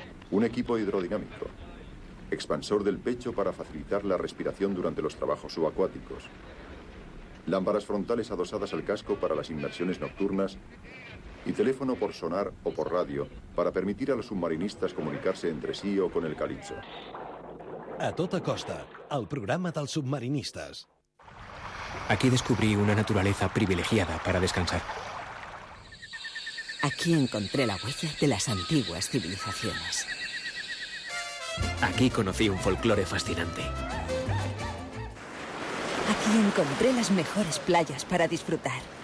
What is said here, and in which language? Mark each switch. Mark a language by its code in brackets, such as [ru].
[es] Un equipo hidrodinámico, expansor del pecho para facilitar la respiración durante los trabajos subacuáticos, lámparas frontales adosadas al casco para las inmersiones nocturnas y teléfono por sonar o por radio para permitir a los submarinistas comunicarse entre sí o con el Calypso. [ca] A tota costa, el programa dels submarinistes. [es] Aquí descubrí una naturaleza privilegiada para descansar. Aquí encontré la huella de las antiguas civilizaciones. Aquí conocí un folclore fascinante. Aquí encontré las mejores playas para disfrutar.